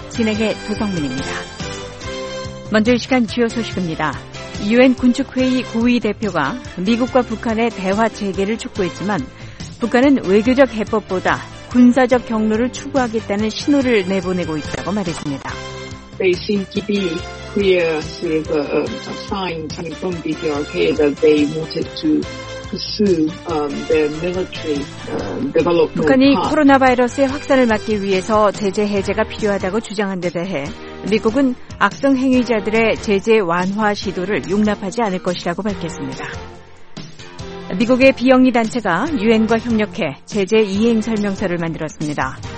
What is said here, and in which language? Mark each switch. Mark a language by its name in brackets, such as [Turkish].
[Korean] 진행의 도성민입니다. 먼저 이 시간 주요 소식입니다. 유엔 군축회의 고위 대표가 미국과 북한의 대화 재개를 촉구했지만 북한은 외교적 해법보다 군사적 경로를 추구하겠다는 신호를 내보내고 있다고 말했습니다. [English] They seem to be clear sort of signs from the DRK that they wanted to pursue their military development. [Korean] 북한이 코로나 바이러스의 확산을 막기 위해서 제재 해제가 필요하다고 주장한 데 대해 미국은 악성 행위자들의 제재 완화 시도를 용납하지 않을 것이라고 밝혔습니다. 미국의 비영리 단체가 유엔과 협력해 제재 이행 설명서를 만들었습니다.